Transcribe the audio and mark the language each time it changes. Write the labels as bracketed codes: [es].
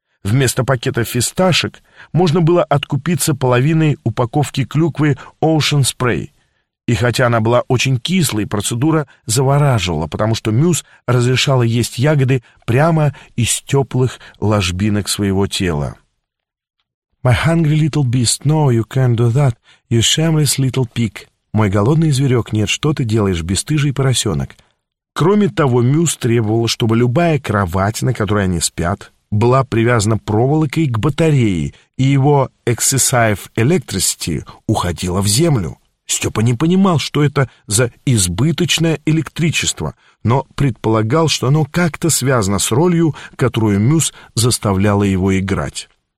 [ru] Вместо пакета фисташек можно было откупиться половиной упаковки клюквы Ocean Spray. И хотя она была очень кислой, процедура завораживала, потому что Мюс разрешала есть ягоды прямо из теплых ложбинок своего тела. [en] «My hungry little beast, no, you can't do that, you shameless little pig». [ru] «Мой голодный зверек, нет, что ты делаешь, бесстыжий поросенок». Кроме того, Мюс требовала, чтобы любая кровать, на которой они спят, была привязана проволокой к батарее, и его [en] «exercise electricity» [ru] уходила в землю. Степа не понимал, что это за избыточное электричество, но предполагал, что оно как-то связано с ролью, которую Мюс заставляла его играть.